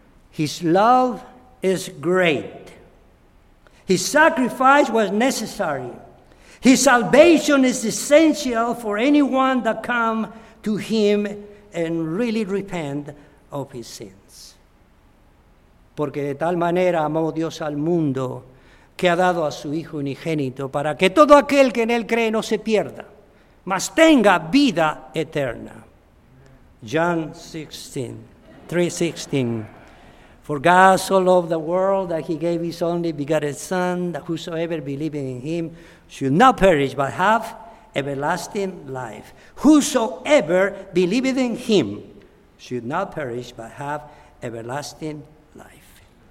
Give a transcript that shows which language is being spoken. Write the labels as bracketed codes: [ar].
[en] His love is great. His sacrifice was necessary. His salvation is essential for anyone that come to him and really repent of his sins. [es] Porque de tal manera amó Dios al mundo que ha dado a su Hijo unigénito para que todo aquel que en él cree no se pierda, mas tenga vida eterna. [en] John 3:16. For God so loved the world that he gave his only begotten Son, that whosoever believeth in him should not perish, but have everlasting life. Whosoever believeth in him should not perish, but have everlasting life.